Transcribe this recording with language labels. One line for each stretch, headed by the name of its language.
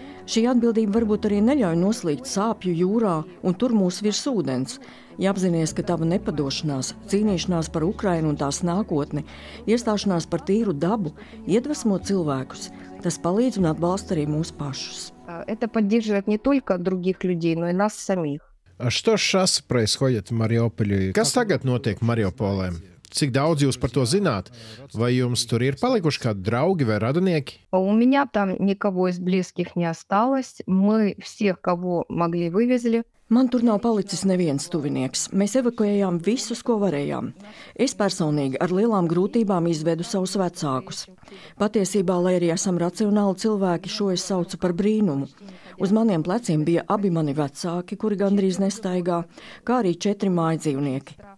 Latvian: Šī atbildība varbūt arī neļauj noslīgt sāpju jūrā un tur mūs virs ūdens. Ja apzinies, ka tava nepadošanās, cīnīšanās par Ukrainu un tās nākotni, iestāšanās par tīru dabu, iedvesmo cilvēkus, tas palīdz un atbalsta arī mūs pašus.
Russian: Это поддерживает не только других людей, но и нас самих. А что сейчас происходит в Мариуполе?
Latvian: Kas tagad notiek Mariupolē? Cik daudz jūs par to zināt? Vai jums tur ir palikuši kādi draugi vai radinieki?
Russian: У меня там никого из близких не осталось. Мы всех, кого могли, вывезли.
Latvian: Man tur nav palicis neviens tuvinieks. Mēs evakuējām visus, ko varējām. Es personīgi ar lielām grūtībām izvedu savus vecākus. Patiesībā, lai arī esam racionāli cilvēki, šo es saucu par brīnumu. Uz maniem pleciem bija abi mani vecāki, kuri gandrīz nestaigā, kā arī četri mājdzīvnieki.